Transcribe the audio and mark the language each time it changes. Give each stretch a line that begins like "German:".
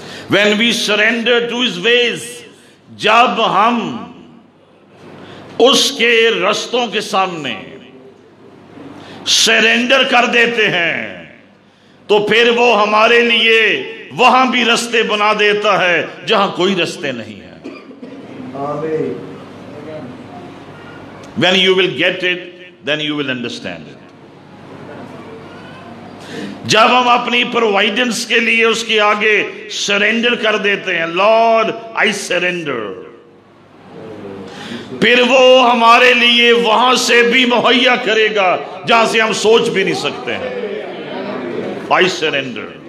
English: when we surrender to his ways,
Urdu: جب ہم اس کے رستوں کے سامنے سرینڈر کر دیتے ہیں، تو پھر وہ ہمارے لیے وہاں بھی رستے بنا دیتا ہے جہاں کوئی رستے نہیں ہیں. آمین.
English: When you will get it, then you will understand it.
Urdu: جب ہم اپنی پرووائڈنس کے لیے اس کے آگے سرینڈر کر دیتے ہیں،
English: lord I surrender,
Urdu: پھر وہ ہمارے لیے وہاں سے بھی مہیا کرے گا جہاں سے ہم سوچ بھی نہیں سکتے ہیں.
English: I surrender.